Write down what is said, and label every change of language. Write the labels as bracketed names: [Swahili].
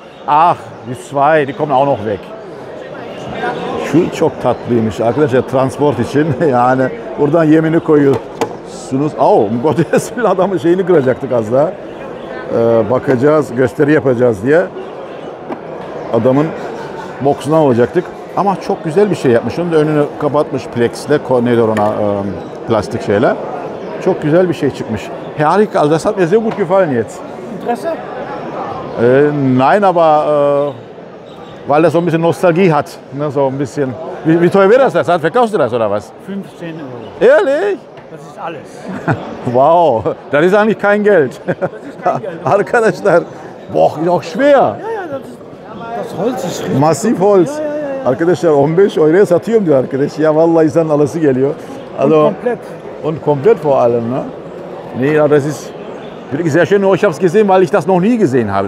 [German] Ach, die zwei, die kommen auch noch weg. [Turkish] Şu çok tatlıymış arkadaşlar, transport için. Yani buradan yemini koyuyorsunuz. Au, Godesville adamın şeyini kıracaktık az daha. Bakacağız, gösteri yapacağız diye. Adamın boksuna alacaktık. Ama çok güzel bir şey yapmış. Onun da önünü kapatmış plexle, neydi ona, plastik şeyle. Çok güzel bir şey çıkmış. [German] Harika, das hat mir sehr gut gefallen jetzt. Interesse? Nein, aber weil das so ein bisschen Nostalgie hat, ne, so ein bisschen. Wie teuer wäre das? Verkaufst du das oder was? 15 Euro. Ehrlich? Das ist alles. Wow, das ist eigentlich kein Geld. Das ist kein Geld. Arkadaşlar, boah, ist auch schwer. Das Holz ist schwer. Massiv Holz. [Turkish] Arkadaşlar, 15 Euro satıyorum diyor arkadaş. Ja, vallahi insanın alası geliyor. [German] Also, komplett. Und komplett vor allem, ne? Nee, das ist wirklich sehr schön. Nur ich habe es gesehen, weil ich das noch nie gesehen habe.